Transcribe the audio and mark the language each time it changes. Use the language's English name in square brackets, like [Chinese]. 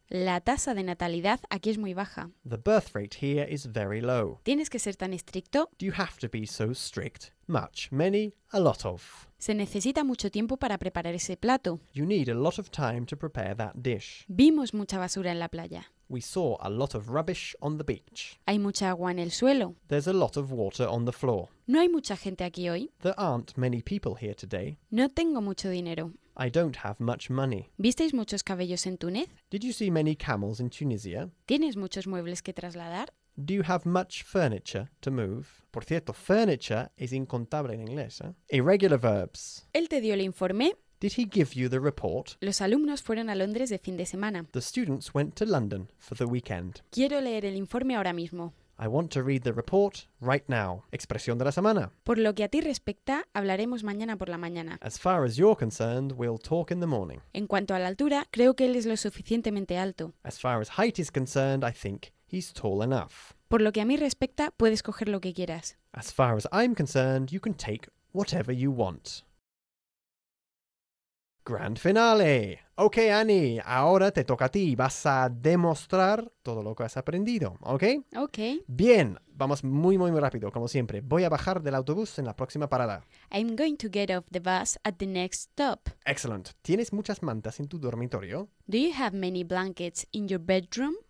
[Spanish] La tasa de natalidad aquí es muy baja. [English] The birth rate here is very low. [Spanish] ¿Tienes que ser tan estricto? [English] Do you have to be so strict? Much, many, a lot of. [Spanish] Se necesita mucho tiempo para preparar ese plato. [English] You need a lot of time to prepare that dish. [Spanish] Vimos mucha basura en la playa. [English] We saw a lot of rubbish on the beach. [Spanish] Hay mucha agua en el suelo. [English] There's a lot of water on the floor. [Spanish] No hay mucha gente aquí hoy. [English] There aren't many people here today. [Spanish] No tengo mucho dinero. [English] I don't have much money. [Spanish] ¿Visteis muchos caballos en Túnez? [English] Did you see many camels in Tunisia? [Spanish] ¿Tienes muchos muebles que trasladar? [English] Do you have much furniture to move? [Spanish] Por cierto, furniture is incontable en inglés, ¿eh? [English] Irregular verbs. [Spanish] ¿Él te dio el informe? [English] Did he give you the report? [Spanish] Los alumnos fueron a Londres de fin de semana. [English] The students went to London for the weekend. [Spanish] Quiero leer el informe ahora mismo. [English] I want to read the report right now. [Spanish] Expresión de la semana. Por lo que a ti respecta, hablaremos mañana por la mañana. [English] As far as you're concerned, we'll talk in the morning. [Spanish] En cuanto a la altura, creo que él es lo suficientemente alto. [English] As far as height is concerned, I think he's tall enough. [Spanish] Por lo que a mí respecta, puedes coger lo que quieras. [English] As far as I'm concerned, you can take whatever you want. Grand finale. [Spanish] Ok, Annie, ahora te toca a ti. Vas a demostrar todo lo que has aprendido, ¿ok? Ok. Bien, vamos muy, muy, muy rápido, como siempre. Voy a bajar del autobús en la próxima parada. [English] I'm going to get off the bus at the next stop. Excellent. [Spanish] ¿Tienes muchas mantas en tu dormitorio? [English] Do you have many blankets in your bedroom?